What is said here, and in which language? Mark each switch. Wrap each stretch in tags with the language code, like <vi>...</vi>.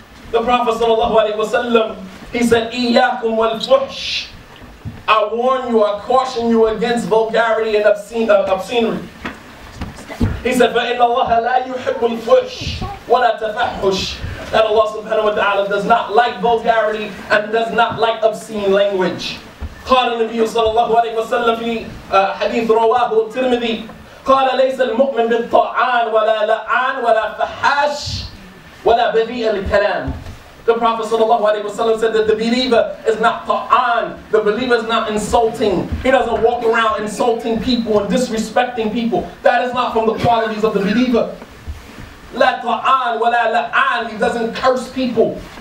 <en>The Prophet sallallahu alayhi wa sallam, he said,</en> <ar>إِيَّاكُمْ وَالْفُحْشِ,</ar> <en>I warn you, I caution you against vulgarity and obscenity. He said,</en> <ar>فَإِنَّ اللَّهَ لَا يُحِبُّ الْفُحْشِ وَلَا تَفَحْشِ,</ar> <en>that Allah subhanahu wa ta'ala does not like vulgarity and does not like obscene language.</en> <ar>قَالَ النَّبِيُّ sallallahu alayhi wa sallam فِي حَدِيثُ رَوَاهُ التِّرْمِذِي قَالَ لَيْسَ الْمُؤْمِنُ بِالطَّعَانِ وَلَا لَعَانِ وَلَا فَحَاشِ وَلَا بَذِيءَ الْكَلَامِ.</ar> <en>The Prophet sallallahu alayhi wa sallam said that the believer is not ta'an, the believer is not insulting. He doesn't walk around insulting people and disrespecting people. That is not from the qualities of the believer.</en> <ar>لَا ta'an وَلَا لَعَانِ,</ar> <en>he doesn't curse people.</en>